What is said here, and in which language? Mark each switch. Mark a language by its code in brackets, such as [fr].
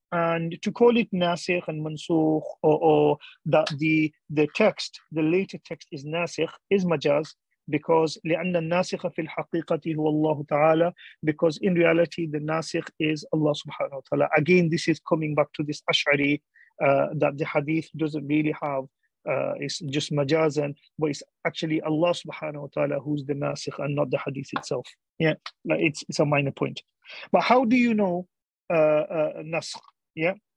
[en] And to call it nasikh and mansukh, or that the text, the later text is nasikh, is majaz. [ar] Because لأن الناسخ في الحقيقة هو الله تعالى. [en] Because in reality the nasikh is Allah subhanahu wa ta'ala. Again, this is coming back to this Ash'ari that the hadith doesn't really have it's just majazan, but it's actually Allah subhanahu wa ta'ala who's the nasikh and not the hadith itself. Yeah, like it's a minor point. But how do you know nasikh? Yeah.